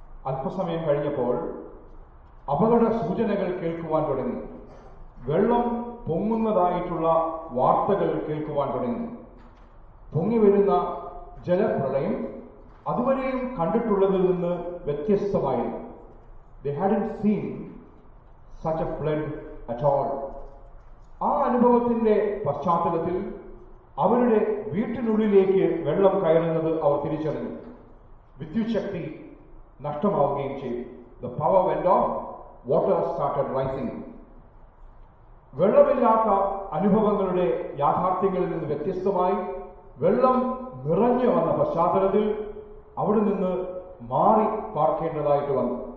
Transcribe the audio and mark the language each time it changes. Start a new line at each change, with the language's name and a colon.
Malayalam: അല്പസമയം കഴിഞ്ഞപ്പോൾ അപകട സൂചനകൾ കേൾക്കുവാൻ തുടങ്ങി, വെള്ളം പൊങ്ങുന്നതായിട്ടുള്ള വാർത്തകൾ കേൾക്കുവാൻ തുടങ്ങി, പൊങ്ങി വരുന്ന ജലപ്രളയം അതുവരെയും കണ്ടിട്ടുള്ളതിൽ നിന്ന് വ്യത്യസ്തമായി.
English: They hadn't seen such a flood at all.
Malayalam: ആ അനുഭവത്തിന്റെ പശ്ചാത്തലത്തിൽ അവരുടെ വീട്ടിനുള്ളിലേക്ക് വെള്ളം കയറുന്നത് അവർ തിരിച്ചറിഞ്ഞു. വിദ്യുത് ശക്തി നഷ്ടമാവുകയും ചെയ്തു.
English: The power went off, water started rising.
Malayalam: വെള്ളമില്ലാത്ത അനുഭവങ്ങളുടെ യാഥാർത്ഥ്യങ്ങളിൽ നിന്ന് വ്യത്യസ്തമായി വെള്ളം നിറഞ്ഞു വന്ന പശ്ചാത്തലത്തിൽ അവിടെ നിന്ന് മാറി പാർക്കേണ്ടതായിട്ട് വന്നു.